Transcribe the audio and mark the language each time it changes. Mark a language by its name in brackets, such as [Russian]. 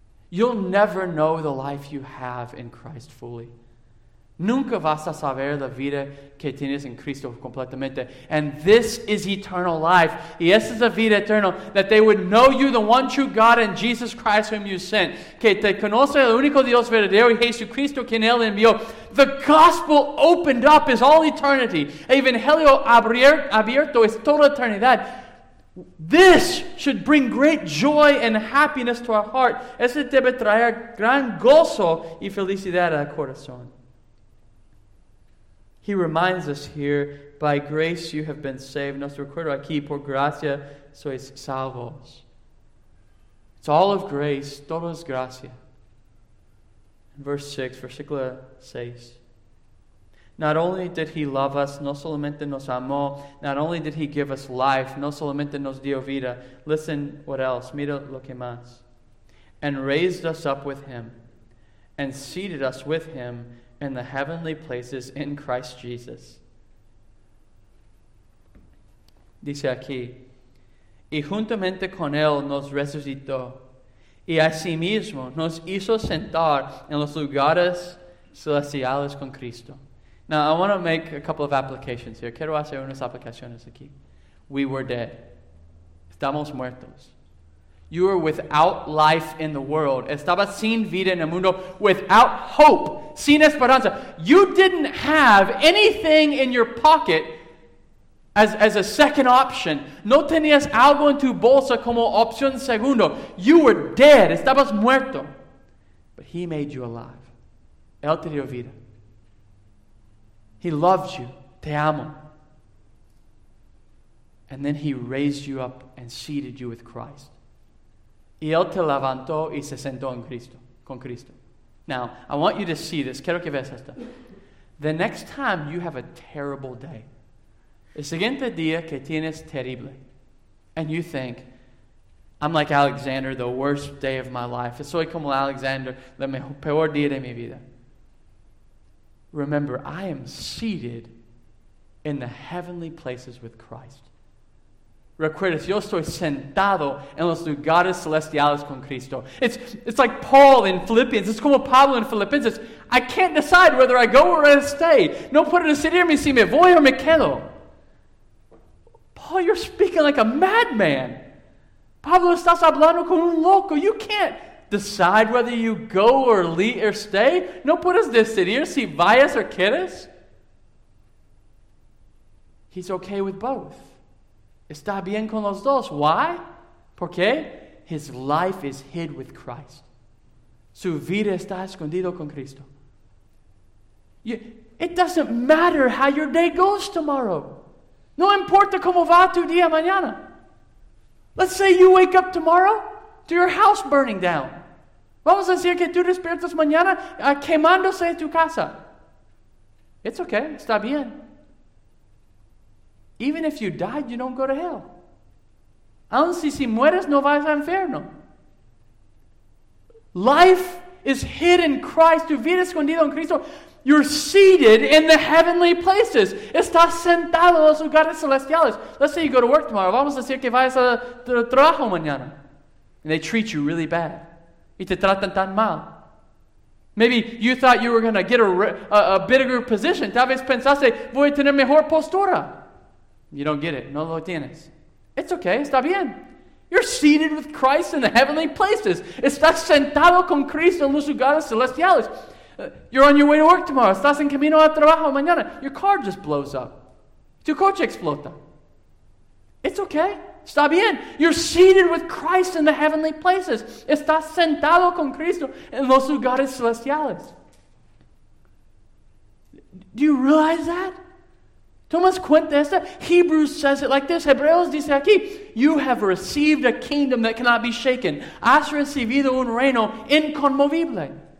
[English] You'll never know the life you have in Christ fully. [Spanish] Nunca vas a saber la vida que tienes en Cristo completamente. [English] And this is eternal life. [Spanish] Y esta es la vida eterna. [English] That they would know you, the one true God, and Jesus Christ whom you sent. [Spanish] Que te conoce el único Dios verdadero y Jesucristo quien Él envió. [English] The gospel opened up is all eternity. [Spanish] El Evangelio abierto es toda eternidad. [English] This should bring great joy and happiness to our heart. [Spanish] Este debe traer gran gozo y felicidad al corazón. [English] He reminds us here, by grace you have been saved. [Spanish] Nos recuerda aquí, por gracia sois salvos. [English] It's all of grace, [Spanish] todo es gracia. [English] Versículo 6. Not only did He love us, [Spanish] no solamente nos amó, [English] not only did He give us life, [Spanish] no solamente nos dio vida. [English] Listen, what else? [Spanish] Mira lo que más. [English] And raised us up with Him, and seated us with Him, in the heavenly places in Christ Jesus. [Spanish] Dice aquí, y juntamente con Él nos resucitó, y asimismo nos hizo sentar en los lugares celestiales con Cristo. [English] Now, I want to make a couple of applications here. [Spanish] Quiero hacer unas aplicaciones aquí. [English] We were dead. [Spanish] Estamos muertos. [English] You were without life in the world. [Spanish] Estaba sin vida en el mundo, [English] without hope, [Spanish] sin esperanza. [English] You didn't have anything in your pocket as a second option. [Spanish] No tenías algo en tu bolsa como opción segundo. [English] You were dead. [Spanish] Estabas muerto. [English] But He made you alive. [Spanish] Él te dio vida. [English] He loved you. [Spanish] Te amo. [English] And then He raised you up and seated you with Christ. [Spanish] Y Él te levantó y se sentó en Cristo, con Cristo. [English] Now, I want you to see this. [Spanish] Quiero que veas esto. [English] The next time you have a terrible day, [Spanish] el siguiente día que tienes terrible, [English] and you think, I'm like Alexander, the worst day of my life. [Spanish] Soy como Alexander, el peor día de mi vida. [English] Remember, I am seated in the heavenly places with Christ. [Spanish] Recuerdas, yo estoy sentado en los lugares celestiales con Cristo. [English] It's like Paul in Philippians. It's como Pablo in Philippians. It's, I can't decide whether I go or I stay. [Spanish] No puedo decidirme si me voy o me quedo. [English] Paul, you're speaking like a madman. [Spanish] Pablo, estás hablando como un loco. [English] You can't decide whether you go or leave or stay. [Spanish] No puedes decidir si vayas o quedas. [English] He's okay with both. [Spanish] Está bien con los dos. [English] Why? [Spanish] Porque [English] his life is hid with Christ. [Spanish] Su vida está escondido con Cristo. [English] It doesn't matter how your day goes tomorrow. [Spanish] No importa cómo va tu día mañana. [English] Let's say you wake up tomorrow to your house burning down. [Spanish] Vamos a decir que tú despiertas mañana quemándose tu casa. [English] It's okay. [Spanish] Está bien. [English] Even if you died, you don't go to hell. [Spanish] Aun si mueres, no vas al infierno. [English] Life is hid in Christ. [Spanish] Tu vida escondida en Cristo. [English] You're seated in the heavenly places. [Spanish] Estás sentado en los lugares celestiales. [English] Let's say you go to work tomorrow. [Spanish] Vamos a decir que vayas a trabajo mañana. [English] And they treat you really bad. [Spanish] Y te tratan tan mal. [English] Maybe you thought you were going to get a bigger position. [Spanish] Tal vez pensaste, voy a tener mejor postura. [English] You don't get it. [Spanish] No lo tienes. [English] It's okay. [Spanish] Está bien. [English] You're seated with Christ in the heavenly places. [Spanish] Estás sentado con Cristo en los lugares celestiales. [English] You're on your way to work tomorrow. [Spanish] Estás en camino a trabajo mañana. [English] Your car just blows up. [Spanish] Tu coche explota. [English] It's okay. [Spanish] Está bien. [English] You're seated with Christ in the heavenly places. [Spanish] Estás sentado con Cristo en los lugares celestiales. [English] Do you realize that? [Spanish] Tomas cuenta esta. [English] Hebrews says it like this. [Spanish] Hebreos dice aquí, [English] you have received a kingdom that cannot be shaken. [Spanish] Has recibido un reino inconmovible.